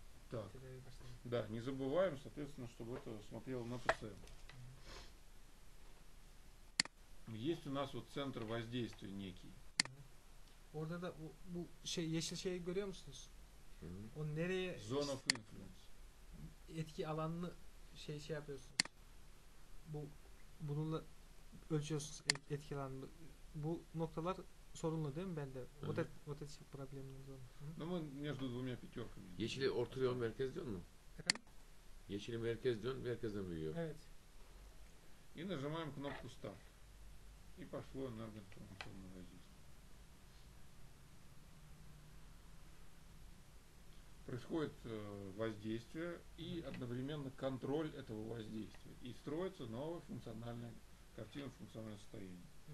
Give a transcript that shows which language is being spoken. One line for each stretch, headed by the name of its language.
Russian: Так. Да, не забываем, соответственно, чтобы это смотрело на пациента. Есть у нас вот центр воздействия некий.
Turkish: Orada да, bu şey yeşil şeyi görüyor musunuz? O nereye?
English: Zone of influence.
Turkish: Etki alanını şey yapıyorsunuz. Bu bununla ölçüyorsunuz etki alanını. Bu noktalar sorunlu değil mi bende?
Russian: Вот эти проблемы. Ну мы между двумя пятерками.
Turkish: Yeşili ortalıyor, merkez diyor mu? Efendim? Yeşili merkez diyor, merkezden büyüyor. Evet.
Russian: И нажимаем кнопку старт. И пошло энергоинформационное воздействие. Происходит воздействие и одновременно контроль этого воздействия. И строится новая функциональная картина функционального состояния.